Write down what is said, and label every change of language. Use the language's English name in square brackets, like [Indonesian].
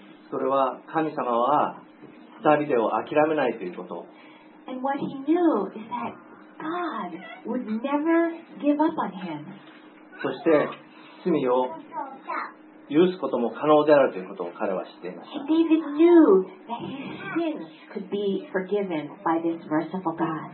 [Japanese] それは神様はダビデを諦めないということ。 [English] And what he knew is that God would never give up on him. [Japanese] そして罪を許すことも可能であるということを彼は知っていました。 [English] And David knew that his sins could be forgiven by this merciful God.